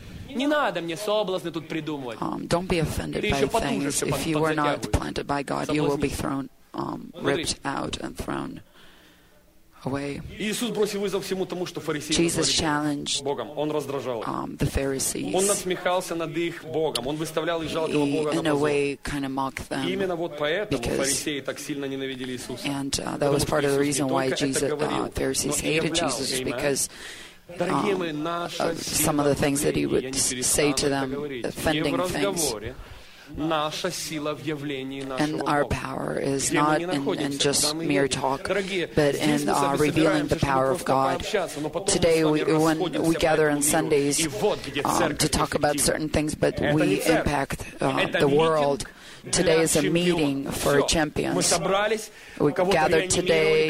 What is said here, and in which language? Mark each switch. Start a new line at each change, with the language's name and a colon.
Russian: Не надо мне соблазны тут придумывать.
English: Don't be offended by things. If you were not planted by God, you will be thrown, ripped out and thrown away.
Russian: Иисус бросил вызов всему тому, что фарисеи говорили Богом. Он раздражал
English: The Pharisees.
Russian: Он насмехался над их Богом. Он выставлял их жалкого Бога на позор.
English: In a way, kind of mocked them.
Russian: И именно вот поэтому фарисеи так сильно ненавидели Иисуса.
English: And that was part of the reason why Pharisees hated Jesus, because some of the things that he would say to them, offending things.
Russian: Наша сила в явлении нашего Бога.
English: And our power is not in just mere talk, but in revealing the power of God. Today, when we gather on Sundays to talk about certain things, but we impact the world. Today is a meeting for champions. We gathered today.